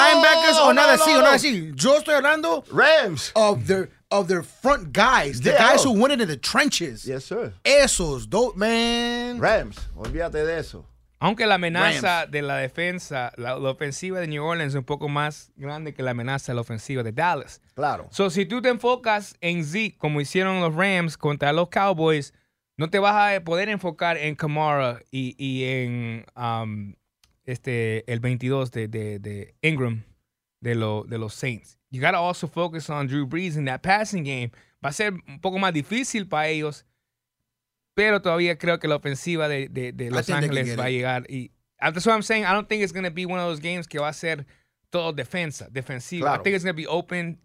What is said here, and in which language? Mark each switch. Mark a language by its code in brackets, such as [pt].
[en] I'm not even talking about the cornerbacks, linebackers. [es] Yo estoy hablando [en] Rams of their front guys, guys who went into the trenches. Yes, sir. [es] Esos dope, man. Rams, olvídate de eso. Aunque la amenaza de la defensa, la ofensiva de New Orleans es un poco más grande que la amenaza de la ofensiva de Dallas. Claro. So si tú te enfocas en Zeke como hicieron los Rams contra los Cowboys, no te vas a poder enfocar en Kamara y en el 22 de Ingram de los Saints. [en] You gotta also focus on Drew Brees in that passing game. [es] Va a ser un poco más difícil para ellos, pero todavía creo que la ofensiva de Los Ángeles va a llegar. [en] Y, that's what I'm saying. I don't think it's going to be one of those games que va a ser todo defensivo. Claro. I think it's going to be open.